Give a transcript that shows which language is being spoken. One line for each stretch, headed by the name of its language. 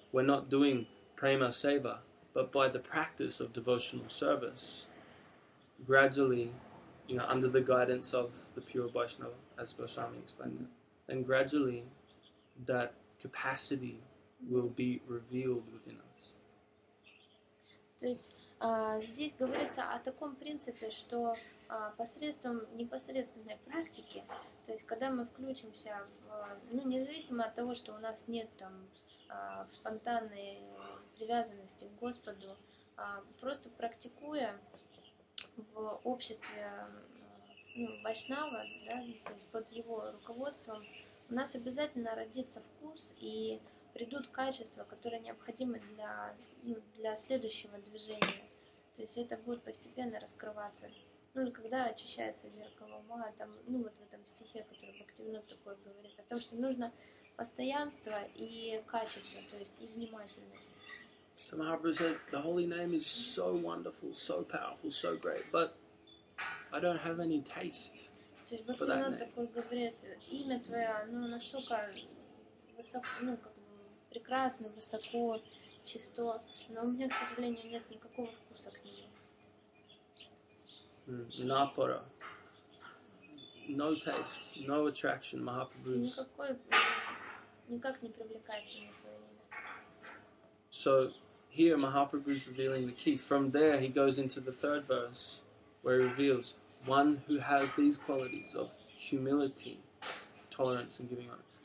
English: We're not doing prema seva, but by the practice of devotional service, gradually, you know, under the guidance of the pure Vaishnava, as Goswami explained it, then gradually that capacity will be revealed within us.
Russian: То есть здесь говорится о таком принципе, что посредством непосредственной практики, то есть когда мы включимся, ну, независимо от того, что у нас нет там спонтанной привязанности к Господу, просто практикуя в обществе Вайшнава, да, то есть под его руководством, у нас обязательно родится вкус и придут качества, которые необходимы для, ну, для следующего движения. То есть это будет постепенно раскрываться. Ну, когда очищается зеркало ума, там, ну, вот в этом стихе, который Бхактивинод такой говорит, о том, что нужно постоянство и качество, то есть и внимательность.
English: So Mahaprabhu said, the holy name is so wonderful, so powerful, so great, but I don't have any taste for that name.
Russian: То есть Бхактивинод такой говорит, имя твое, оно настолько высоко, ну, как бы прекрасно, высоко, чисто, но у меня, к сожалению, нет никакого вкуса к нему.
English: Napara. No taste, no attraction, Mahaprabhu's.
Russian: Никак не привлекает меня твое имя.
English: So here Mahaprabhu is revealing the key. From there he goes into the third verse where he reveals one who has these qualities of humility, tolerance and giving up.